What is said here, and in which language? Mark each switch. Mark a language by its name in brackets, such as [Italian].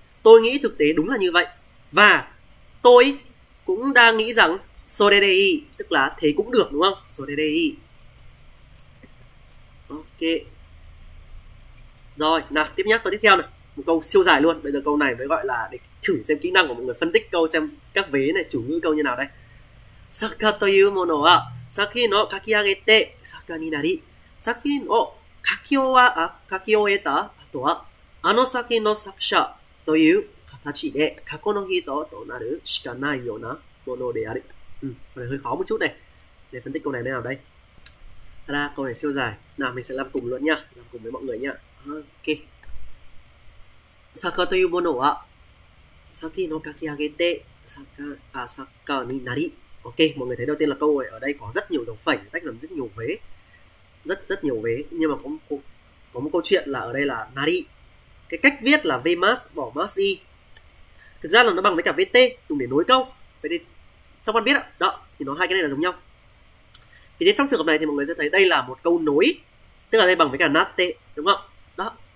[Vietnamese] Tôi nghĩ thực tế đúng là như vậy. Và tôi cũng đang nghĩ rằng [Japanese] sore de ii, [Vietnamese] tức là thế cũng được đúng không? Sore de ii. Ok. Rồi, nào, tiếp nhé, câu tiếp theo này. Một câu siêu dài luôn. Bây giờ câu này mới gọi là để thử xem kỹ năng của mọi người phân tích câu xem các vế này chủ ngữ câu như nào đây. [Japanese] Saka というものは作品を書き上げて作家になり、作品を書き終えた後はあの作品の作者という形で過去の人となるしかないようなものである。これ [Vietnamese] hơi khó một chút này. Để phân tích câu này thế nào đây. Là câu này siêu dài. Nào mình sẽ làm cùng luôn nha, làm cùng với mọi người nha. Ok. [Japanese] Saka というものは先の書き上げて作家、作家になり。 [Vietnamese] Ok, mọi người thấy đầu tiên là câu này ở đây có rất nhiều dấu phẩy, tách làm rất nhiều vế. Rất rất nhiều vế, nhưng mà có một câu chuyện là ở đây là nari. Cái cách viết là V mas, bỏ mas đi. Thực ra là nó bằng với cả VT, dùng để nối câu. Vậy thì trong văn viết ạ, đó, thì nó hai cái này là giống nhau. Thì đến trong trường hợp này thì mọi người sẽ thấy đây là một câu nối, tức là đây bằng với cả natte, đúng không? Đó.